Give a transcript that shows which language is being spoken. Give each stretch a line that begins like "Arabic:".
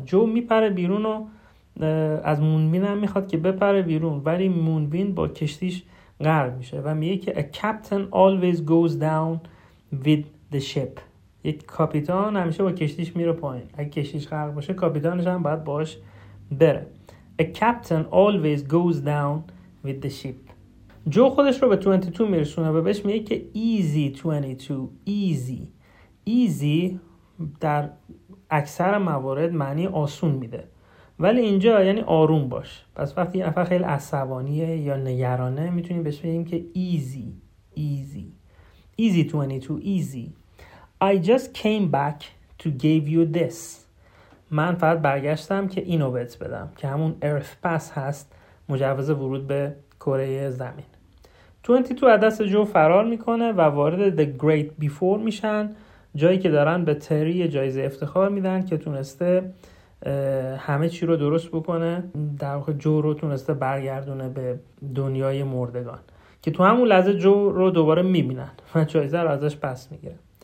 Persian: جو میپره بیرون و از مونوین هم میخواد که بپره بیرون. ولی مونوین با کشتیش غرق میشه و میگه که
English: A captain always goes down with the ship.
Persian: یک کاپیتان همیشه با کشتیش میره پایین. اگه کشتیش غرق باشه کاپیتانش هم باید باش بره.
English: A captain always goes down with the ship.
Persian: جو خودش رو به 22 میرسونه و بهش میگه که easy 22. Easy در اکثر موارد معنی آسون میده. ولی اینجا یعنی آروم باش. پس وقتی این افر خیلی عصبانیه یا نگرانه میتونیم بهش بگیم که easy.
English: Easy 22. Easy. I just came back to give you this.
Persian: من فقط برگشتم که اینو بهت بدم که همون Earth Pass هست، مجوز ورود به کره زمین. 22 از دست جو فرار میکنه و وارد The Great Before میشن، جایی که دارن به تری جایزه افتخار میدن که تونسته همه چی رو درست بکنه، در واقع جو رو تونسته برگردونه به دنیای مردگان، که تو همون لحظه جو رو دوباره میبینن و جایزه رو ازش پس میگیره.